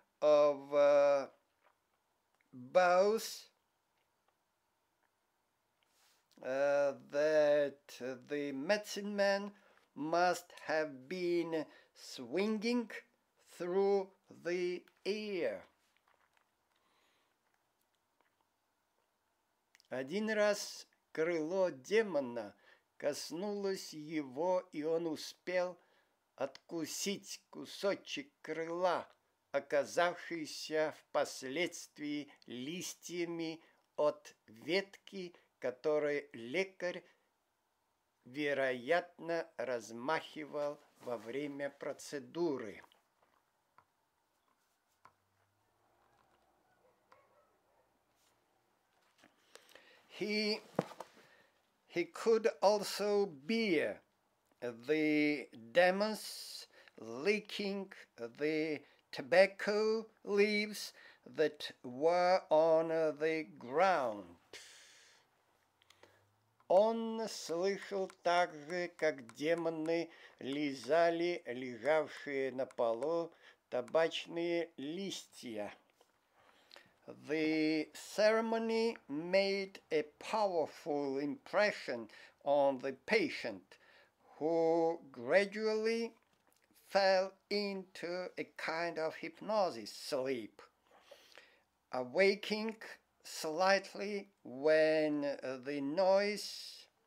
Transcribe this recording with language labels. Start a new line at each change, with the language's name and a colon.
English: of both that the medicine man must have been swinging through the air.
Russian: Один раз крыло демона коснулось его, и он успел откусить кусочек крыла, оказавшийся впоследствии листьями от ветки, которой лекарь, вероятно, размахивал во время процедуры.
English: He could also be the demons licking the tobacco leaves that were on the ground.
Russian: Он слышал также, как демоны лизали лежавшие на полу табачные листья.
English: The ceremony made a powerful impression on the patient, who gradually fell into a kind of hypnosis sleep, awaking slightly when the noise